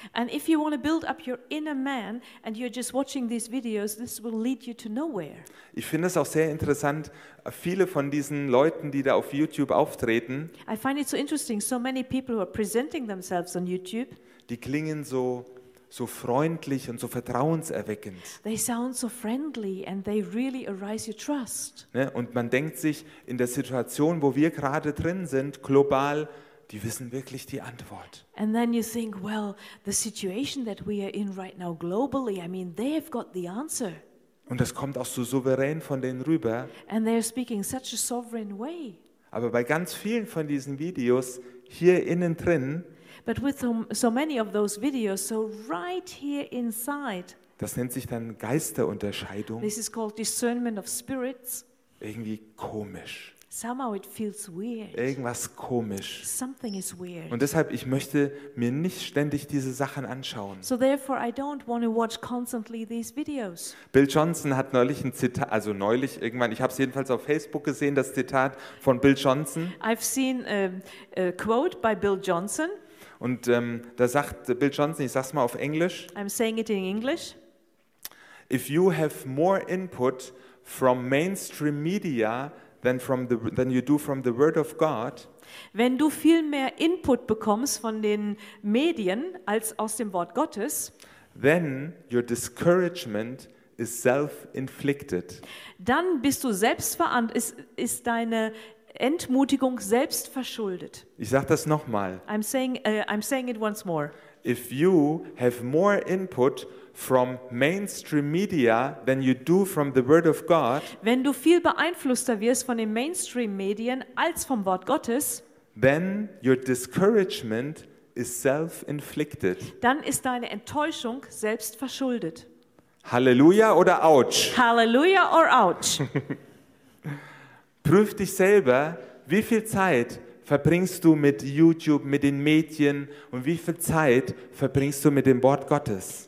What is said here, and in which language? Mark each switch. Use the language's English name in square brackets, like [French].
[English] And if you want to build up your inner man and you're just watching these videos, this will lead you to nowhere. [German] Ich finde es auch sehr interessant, viele von diesen Leuten, die da auf YouTube auftreten. [English] I find it so interesting, so many people who are presenting themselves on YouTube. [German] Die klingen so freundlich und so vertrauenserweckend. [English] They sound so friendly and they really arouse your trust. [German] Ne? Und man denkt sich, in der Situation, wo wir gerade drin sind, global, die wissen wirklich die Antwort. [English] And then you think, well, the situation that we are in right now globally, I mean, they have got the answer. [German] Und das kommt auch so souverän von denen rüber. [English] And they are speaking in such a sovereign way. [German] Aber bei ganz vielen von diesen Videos hier innen drin, [English] but with so many of those videos, so right here inside. [German] Das nennt sich dann Geisterunterscheidung. [English] This is called discernment of spirits. [German] Irgendwie komisch. [English] Somehow it feels weird. [German] Irgendwas komisch. [English] Something is weird. [German] Und deshalb, ich möchte mir nicht ständig diese Sachen anschauen. [English] So therefore I don't want to watch constantly these videos. [German] Bill Johnson hat neulich ein Zitat, also neulich irgendwann, ich habe es jedenfalls auf Facebook gesehen, das Zitat von Bill Johnson. [English] I've seen a quote by Bill Johnson. [German] Und da sagt Bill Johnson, ich sag's mal auf Englisch. [English] I'm saying it in English. If you have more input from mainstream media than you do from the Word of God. [German] Wenn du viel mehr Input bekommst von den Medien als aus dem Wort Gottes, [English] then your discouragement is self-inflicted. [German] Dann bist du ist deine Entmutigung selbst verschuldet. Ich sage das nochmal. [English] I'm saying it once more. If you have more input from mainstream media than you do from the Word of God, [German] wenn du viel beeinflusster wirst von den Mainstream-Medien als vom Wort Gottes, [English] then your discouragement is self-inflicted. [German] Dann ist deine Enttäuschung selbst verschuldet. Halleluja oder ouch? [English] Halleluja or ouch? [German] Prüf dich selber, wie viel Zeit verbringst du mit YouTube, mit den Medien und wie viel Zeit verbringst du mit dem Wort Gottes?